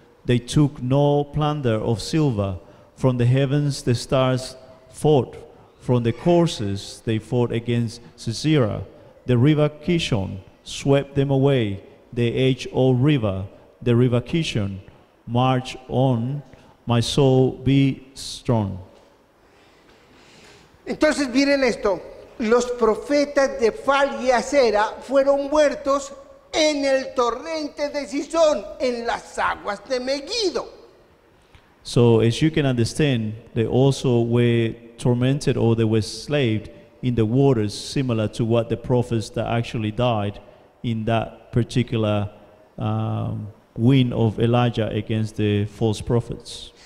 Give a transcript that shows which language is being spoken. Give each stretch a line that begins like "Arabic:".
English: They took no plunder of silver. From the heavens the stars fought. From the courses they fought against Sisera. The river Kishon swept them away. The age-old river, the river Kishon. March on, my soul, be strong.
Spanish: Entonces miren esto, los profetas de Baal y Acera fueron muertos en el torrente de Sison, en las aguas de Megiddo.
English: So as you can understand, they also were tormented or they were slaved in the waters, similar to what the prophets that actually died in that particular wind of Elijah against the false prophets.